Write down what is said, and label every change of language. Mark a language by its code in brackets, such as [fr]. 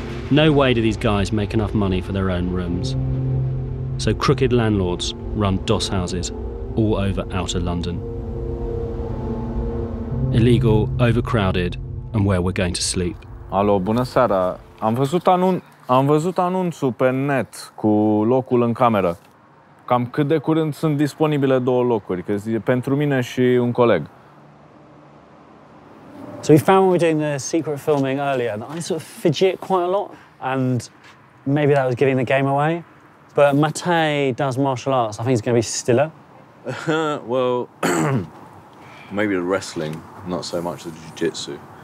[en] No way do these guys make enough money for their own rooms. So crooked landlords run doss houses all over outer London. Illegal, overcrowded, and where we're going to sleep. [ro] Alo, bună seara. Am văzut anunțul pe net cu locul în cameră. Cam cât de curând sunt disponibile două locuri, că e pentru mine și un coleg. [en] So we found when we were doing the secret filming earlier that I sort of fidget quite a lot, and maybe that was giving the game away. But Mate does martial arts. I think he's going to be stiller. Well, maybe the wrestling, not so much the jiu-jitsu.